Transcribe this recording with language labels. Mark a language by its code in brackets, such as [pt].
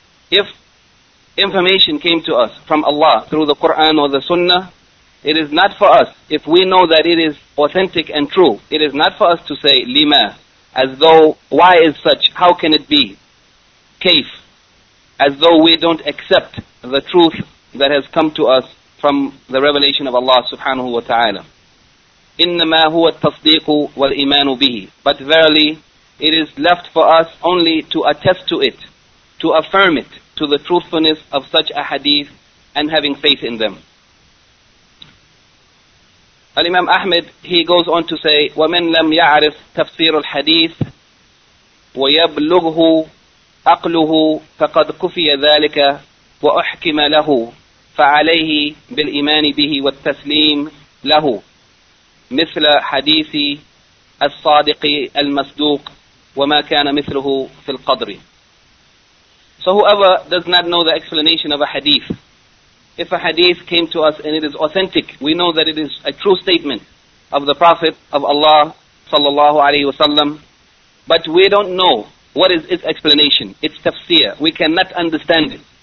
[en] If information came to us from Allah through the Quran or the Sunnah, it is not for us, if we know that it is authentic and true, it is not for us to say lima, as though why is such, how can it be, kayf, as though we don't accept the truth that has come to us from the revelation of Allah subhanahu wa ta'ala. [ar] إِنَّمَا هُوَ التَّصْدِيقُ وَالْإِيمَانُ بِهِ. [en] But verily, it is left for us only to attest to it, to affirm it, to the truthfulness of such a hadith, and having faith in them. Al-Imam Ahmed, he goes on to say, [ar] وَمَنْ لَمْ يَعْرِفْ تَفْسِيرُ الْحَدِيثِ وَيَبْلُغْهُ أَقْلُهُ فَقَدْ كُفِيَ ذَلِكَ وَأُحْكِمَ لَهُ فَعَلَيْهِ بِالْإِيمَانِ بِهِ وَالتَّسْلِيمِ لَهُ مِثْلَ حَدِيثِ الصادق المصدوق وما كان مثله في القدر. [en] So whoever does not know the explanation of a hadith, if a hadith came to us and it is authentic, we know that it is a true statement of the Prophet of Allah sallallahu alaihi wasallam, but we don't know what is its explanation, its tafsir, we cannot understand it.